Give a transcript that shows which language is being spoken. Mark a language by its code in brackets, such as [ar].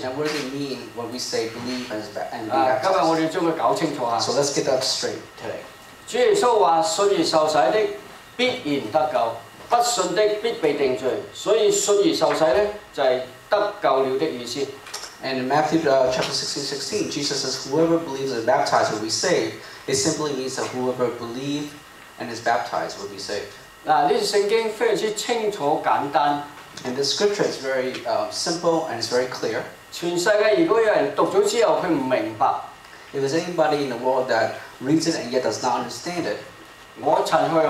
[en] And what does it mean when we say believe and be baptized? [yue] 今日我哋將佢搞清楚啊。 [en] So let's get that straight today. [yue] 主耶穌話：信而受洗的必然得救，不信的必被定罪。所以信而受洗咧，就係得救了的意思。 [en] And in Matthew chapter 16:16, Jesus says, "Whoever believes and is baptized will be saved." It simply means that whoever believes and is baptized will be saved. [yue] 嗱，呢段聖經非常之清楚簡單。 [en] And the scripture is very simple and it's very clear. [yue] 全世界如果有人讀咗之後，佢唔明白。 [en] If there's anybody in the world that reads it and yet does not understand it,